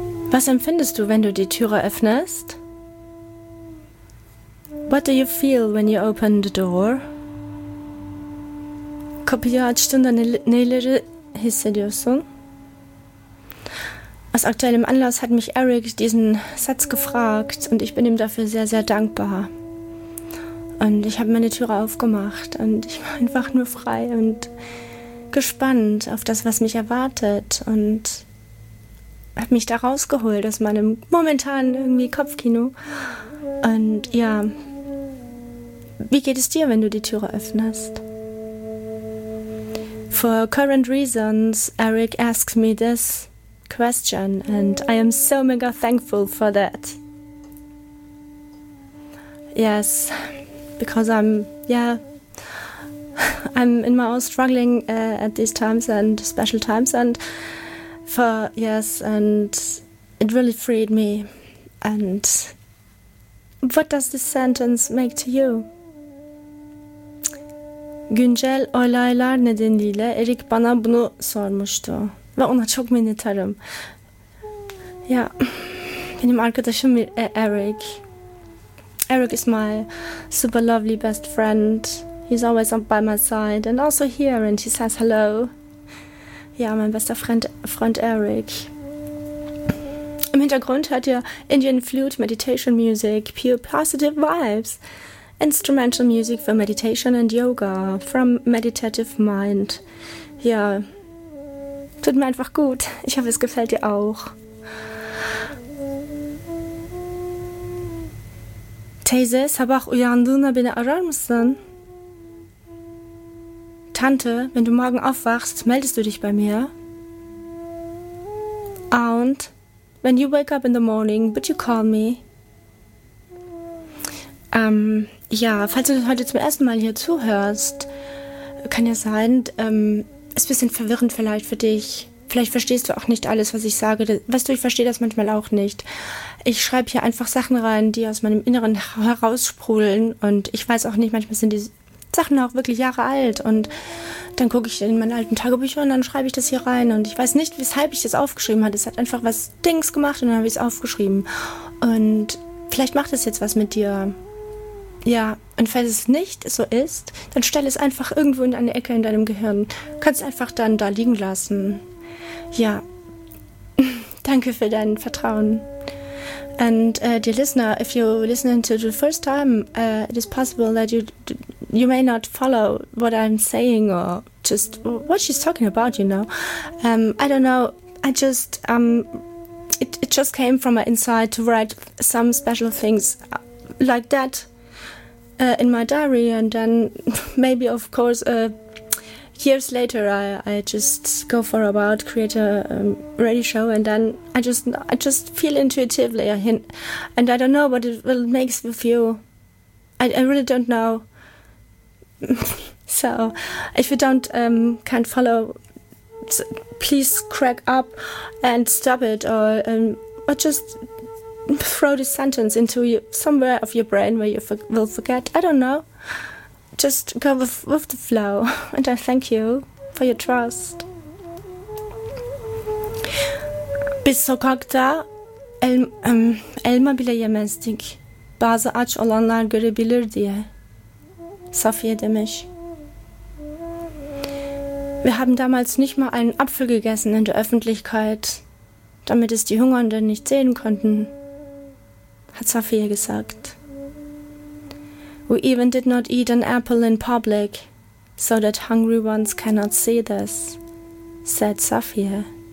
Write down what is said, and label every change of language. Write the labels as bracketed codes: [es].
[de] Was empfindest du, wenn du die Türe öffnest? [en] What do you feel when you open the door? [tr] Kopier açtığında neleri hissediyorsun? [de] Aus aktuellem Anlass hat mich Eric diesen Satz gefragt und ich bin ihm dafür sehr, sehr dankbar. Und ich habe meine Türe aufgemacht und ich war einfach nur frei und gespannt auf das, was mich erwartet und hat mich da rausgeholt aus meinem momentanen irgendwie Kopfkino. Und ja, wie geht es dir, wenn du die Türe öffnest? [en] For current reasons, Eric asked me this question and I am so mega thankful for that. Yes, because I'm in my own struggling at these times and special times and and it really freed me. And what does this sentence make to you? [tr] Güncel olaylar nedeniyle Eric bana bunu sormuştu. Ve ona çok minnettarım. Ya, benim arkadaşım Eric. [en] Eric is my super lovely best friend. He's always by my side and also here and he says hello. [de] Ja, mein bester Freund Eric. Im Hintergrund hört ihr [en] Indian Flute Meditation Music, Pure Positive Vibes, Instrumental Music for Meditation and Yoga from Meditative Mind. [de] Ja, tut mir einfach gut. Ich hoffe, es gefällt dir auch. [tr] Teyze, sabah uyandığına beni arar mısın? [de] Tante, wenn du morgen aufwachst, meldest du dich bei mir? [en] Aunt, when you wake up in the morning, would you call me? [de] Ja, falls du heute zum ersten Mal hier zuhörst, kann ja sein, ist ein bisschen verwirrend vielleicht für dich. Vielleicht verstehst du auch nicht alles, was ich sage. Weißt du, ich verstehe das manchmal auch nicht. Ich schreibe hier einfach Sachen rein, die aus meinem Inneren heraussprudeln und ich weiß auch nicht, manchmal sind die Sachen auch wirklich Jahre alt und dann gucke ich in meine alten Tagebücher und dann schreibe ich das hier rein und ich weiß nicht, weshalb ich das aufgeschrieben habe. Es hat einfach was Dings gemacht und dann habe ich es aufgeschrieben und vielleicht macht es jetzt was mit dir. Ja, und falls es nicht so ist, dann stell es einfach irgendwo in eine Ecke in deinem Gehirn. Kannst einfach dann da liegen lassen. Ja, danke für dein Vertrauen. [en] And dear listener, if you're listening to the first time, it is possible that you may not follow what I'm saying or just what she's talking about, you know. I don't know. I just it just came from my inside to write some special things like that in my diary, and then maybe of course years later I just go for about create a radio show, and then I just feel intuitively a hint, and I don't know what it will makes with you. I really don't know. So, if you don't can't follow, please crack up and stop it, or just throw this sentence into your, somewhere of your brain where you will forget. I don't know. Just go with the flow, and I thank you for your trust. [tr] Bir sokakta elma bile yemezdik. Bazı aç olanlar görebilir diye. Safiye demiş. [de] Wir haben damals nicht mal einen Apfel gegessen in der Öffentlichkeit, damit es die Hungernden nicht sehen konnten, hat Safir gesagt. [en] We even did not eat an apple in public, so that hungry ones cannot see this, said Safir.